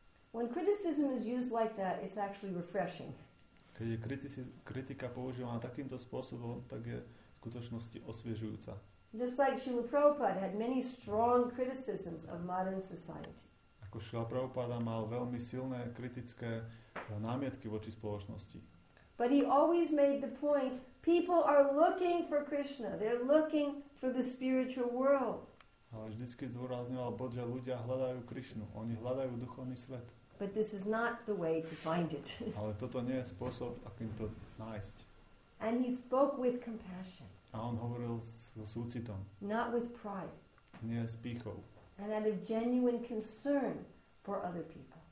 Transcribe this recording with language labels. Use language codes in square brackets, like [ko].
[en] When criticism is used like that, it's actually refreshing. [sk] Keď je kritika používaná takýmto spôsobom, tak je v skutočnosti osviežujúca. [en] Just like Srila Prabhupada had many strong criticisms of modern society. [sk] Ako Srila Prabhupada mal veľmi silné kritické námietky voči spoločnosti. [en] But he always made the point, people are looking for Krishna, they're looking for the spiritual world. [sk] Ale vždycky zdôrazňoval bod, že ľudia hľadajú Krišnu. Oni hľadajú duchovný svet. [en] But this is not the way to find it. [sk] Ale toto nie je spôsob, akým to nájsť. [en] And he spoke with compassion. [sk] A on hovoril so súcitom. [en] Not with pride. [sk] Nie s pýchou. [en] And out of genuine concern for other people.